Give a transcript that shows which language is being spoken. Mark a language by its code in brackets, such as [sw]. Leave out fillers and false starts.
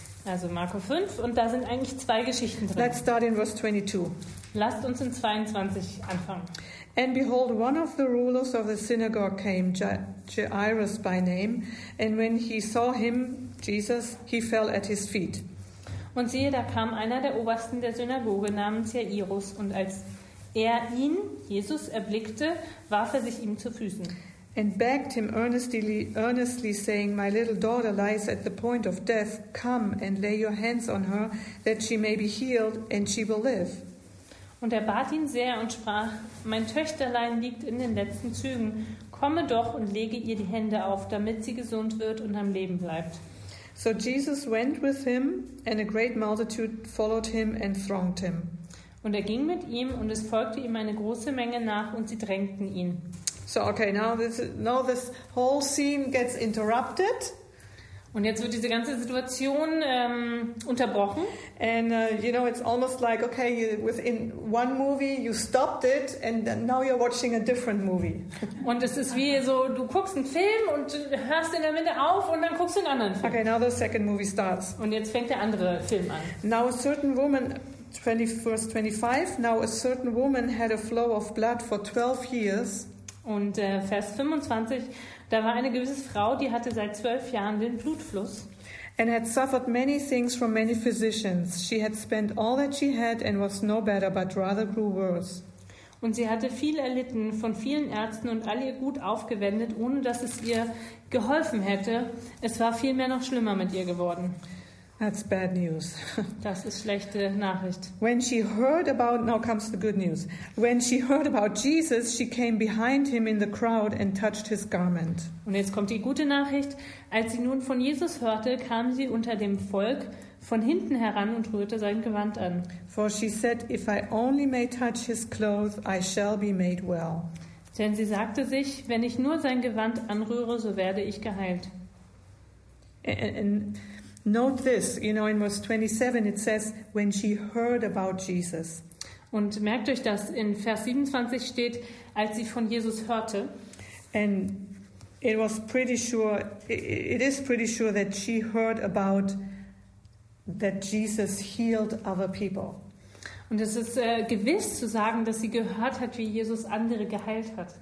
[de] Also Markus 5 und da sind eigentlich zwei Geschichten drin. [en] Let's start in verse 22. [de] Lasst uns in 22 anfangen. [en] And behold, one of the rulers of the synagogue came, Jairus by name, and when he saw him, Jesus, he fell at his feet. [de] Und siehe, da kam einer der Obersten der Synagoge namens Jairus, und als er ihn, Jesus, erblickte, warf er sich ihm zu Füßen. [en] And begged him earnestly, saying, My little daughter lies at the point of death. Come and lay your hands on her, that she may be healed, and she will live. [de] Und er bat ihn sehr und sprach, Mein Töchterlein liegt in den letzten Zügen. Komme doch und lege ihr die Hände auf, damit sie gesund wird und am Leben bleibt. [en] So Jesus went with him, and a great multitude followed him and thronged him. [de] Und er ging mit ihm, und es folgte ihm eine große Menge nach, und sie drängten ihn. [en] So okay, now this whole scene gets interrupted. [de] Und jetzt wird diese ganze Situation unterbrochen. [en] And you know, it's almost like okay, within one movie you stopped it, and now you're watching a different movie. [de] Und es ist wie so, du guckst einen Film und hörst in der Mitte auf und dann guckst du einen anderen Film. [en] Okay, now the second movie starts. [de] Und jetzt fängt der andere Film an. [en] Now a certain woman, verse 25. Now a certain woman had a flow of blood for 12 years. [de] Und Vers 25. Da war eine gewisse Frau, die hatte seit 12 Jahren den Blutfluss. [en] And had suffered many things from many physicians. She had spent all that she had and was no better, but rather grew worse. [de] Und sie hatte viel erlitten von vielen Ärzten und all ihr Gut aufgewendet, ohne dass es ihr geholfen hätte. Es war vielmehr noch schlimmer mit ihr geworden. [en] That's bad news. [de] Das ist schlechte Nachricht. [en] When she heard about, now comes the good news. When she heard about Jesus, she came behind him in the crowd and touched his garment. [de] Und jetzt kommt die gute Nachricht. Als sie nun von Jesus hörte, kam sie unter dem Volk von hinten heran und rührte sein Gewand an. [en] For she said, if I only may touch his clothes, I shall be made well. [de] Denn sie sagte sich, wenn ich nur sein Gewand anrühre, so werde ich geheilt. [en] And note this, you know, in verse 27 it says, when she heard about Jesus. [de] Und merkt euch das, in Vers 27 steht, als sie von Jesus hörte. [en] And it is pretty sure that she heard about that Jesus healed other people. [de] Und es ist gewiss zu sagen, dass sie gehört hat, wie Jesus andere geheilt hat.